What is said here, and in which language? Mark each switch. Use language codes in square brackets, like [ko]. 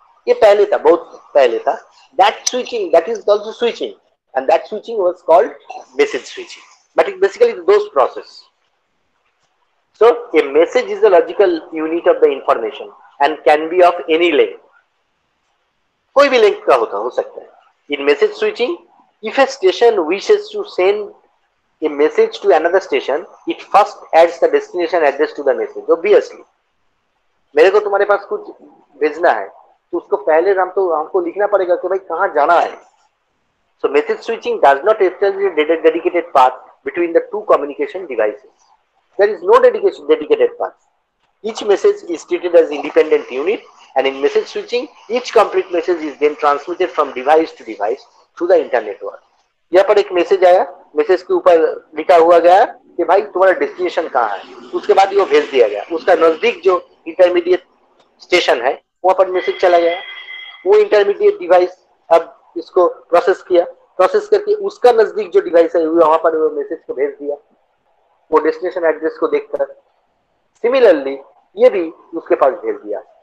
[hi] ये पहले था, बहुत पहले था। [en] That switching, that is also switching, and that switching was called message switching, but it basically does process. So a message is a logical unit of the information and can be of any length, [hi] कोई भी length का होता हो सकता है। [en] In message switching, if a station wishes to send a message to another station, it first adds the destination address to the message. [hi] Obviously, मेरे को तुम्हारे पास कुछ भेजना है, तो उसको पहले हम तो हमको लिखना पड़ेगा कि भाई कहाँ जाना है। [en] So message switching does not establish a dedicated path between the two communication devices. There is no dedicated path. Each message is treated as independent unit and in message switching each complete message is then transmitted from device to device through the internet work. [hi] यहाँ पर एक message आया, message के ऊपर लिखा हुआ गया कि भाई तुम्हारा डेस्टिनेशन कहाँ है, उसके बाद वो भेज दिया गया, उसका नजदीक जो इंटरमीडिएट स्टेशन है वहां पर मैसेज चला गया, वो इंटरमीडिएट डिवाइस अब इसको प्रोसेस किया, प्रोसेस करके उसका नजदीक जो डिवाइस है वहां पर वो मैसेज को भेज दिया वो डेस्टिनेशन एड्रेस को देखकर, सिमिलरली ये भी उसके पास भेज दिया।